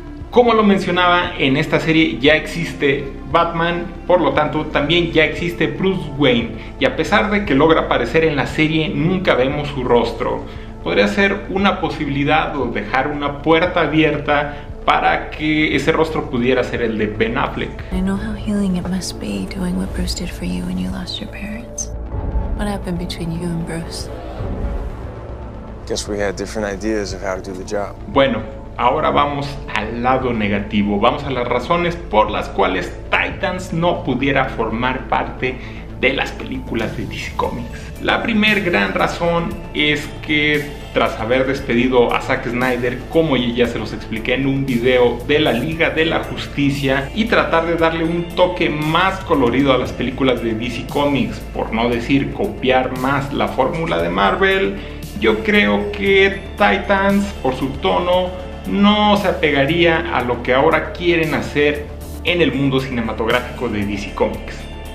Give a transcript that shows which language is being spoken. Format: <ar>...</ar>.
<es>Como lo mencionaba, en esta serie ya existe Batman, por lo tanto también ya existe Bruce Wayne, y a pesar de que logra aparecer en la serie, nunca vemos su rostro. Podría ser una posibilidad o dejar una puerta abierta para que ese rostro pudiera ser el de Ben Affleck.</es> <en>I know how healing it must be doing what Bruce did for you when you lost your parents. What happened between you and Bruce? Guess we had different ideas of how to do the job.</en> <es>Bueno, ahora vamos al lado negativo. Vamos a las razones por las cuales Titans no pudiera formar parte de las películas de DC Comics. La primer gran razón es que tras haber despedido a Zack Snyder, como ya se los expliqué en un video de la Liga de la Justicia, y tratar de darle un toque más colorido a las películas de DC Comics, por no decir copiar más la fórmula de Marvel, yo creo que Titans, por su tono, no se apegaría a lo que ahora quieren hacer en el mundo cinematográfico de DC Comics.</es>